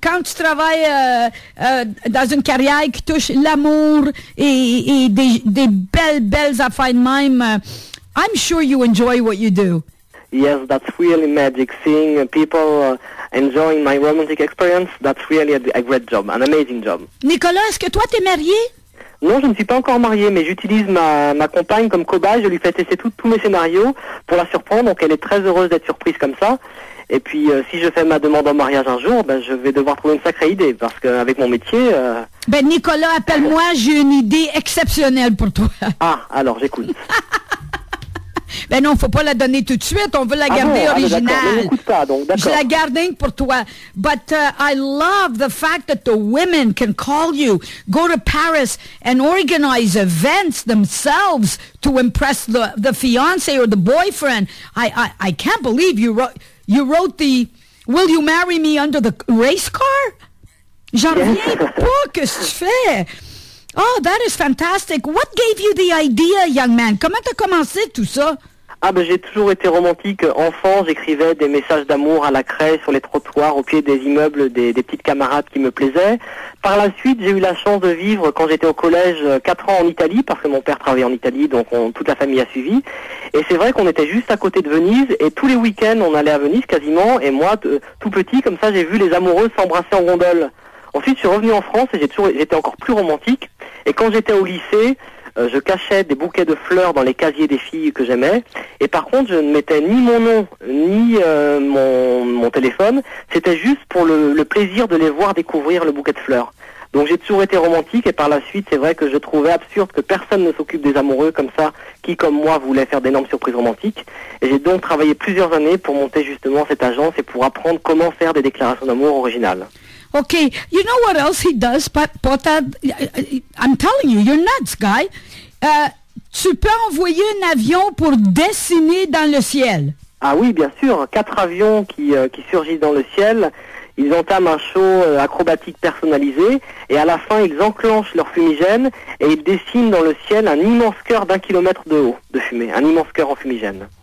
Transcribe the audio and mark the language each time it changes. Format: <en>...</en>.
<fr>Quand tu travailles dans une carrière qui touche l'amour et des belles affaires de même,</fr> <en>I'm sure you enjoy what you do. Yes, that's really magic, seeing people enjoying my romantic experience. That's really a great job, an amazing job.</en> <fr>Nicolas, est-ce que toi t'es marié? Non, je ne suis pas encore marié, mais j'utilise ma compagne comme cobaye. Je lui fais tester tous mes scénarios pour la surprendre, donc elle est très heureuse d'être surprise comme ça. Et puis, si je fais ma demande en mariage un jour, ben, je vais devoir trouver une sacrée idée, parce qu'avec mon métier... Ben Nicolas, appelle-moi, j'ai une idée exceptionnelle pour toi. Ah, alors j'écoute. Ben non, faut pas la donner tout de suite. On veut la garder originale. Je la garde rien que pour toi.</fr> <en>But I love the fact that the women can call you, go to Paris and organize events themselves to impress the fiancé or the boyfriend. I can't believe you wrote the Will you marry me under the race car?</en> <fr>J'en reviens pas, qu'est-ce que tu fais?</fr> <en>Oh, that is fantastic. What gave you the idea, young man?</en> <fr>Comment t'as commencé tout ça? Ah, ben j'ai toujours été romantique. Enfant, j'écrivais des messages d'amour à la craie, sur les trottoirs, au pied des immeubles, des petites camarades qui me plaisaient. Par la suite, j'ai eu la chance de vivre, quand j'étais au collège, 4 ans en Italie, parce que mon père travaillait en Italie, donc toute la famille a suivi. Et c'est vrai qu'on était juste à côté de Venise, et tous les week-ends, on allait à Venise quasiment, et moi, tout petit, comme ça, j'ai vu les amoureux s'embrasser en gondole. Ensuite, je suis revenu en France, et j'étais encore plus romantique. Et quand j'étais au lycée, je cachais des bouquets de fleurs dans les casiers des filles que j'aimais. Et par contre, je ne mettais ni mon nom, ni mon téléphone. C'était juste pour le plaisir de les voir découvrir le bouquet de fleurs. Donc j'ai toujours été romantique et par la suite, c'est vrai que je trouvais absurde que personne ne s'occupe des amoureux comme ça, qui comme moi voulait faire d'énormes surprises romantiques. Et j'ai donc travaillé plusieurs années pour monter justement cette agence et pour apprendre comment faire des déclarations d'amour originales.</fr> <en>Okay, you know what else he does, Pota? I'm telling you, you're nuts, guy.</en> <fr>Tu peux envoyer un avion pour dessiner dans le ciel. Ah oui, bien sûr. 4 avions qui surgissent dans le ciel. Ils entament un show acrobatique personnalisé et à la fin, ils enclenchent leur fumigène et ils dessinent dans le ciel un immense cœur 1 kilomètre de haut de fumée, un immense cœur en fumigène.</fr>